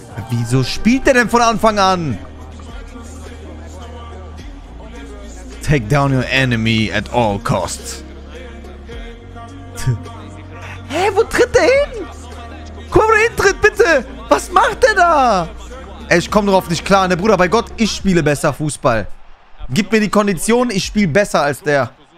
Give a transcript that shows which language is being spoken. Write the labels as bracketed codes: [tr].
[de] Wieso spielt er denn von Anfang an? [en] Take down your enemy at all costs. [de] Hä, wo tritt der hin? Komm, der Hintritt, bitte! Was macht der da? Ey, ich komm drauf nicht klar, ne Bruder, bei Gott, ich spiele besser Fußball. Gib mir die Kondition, ich spiele besser als der.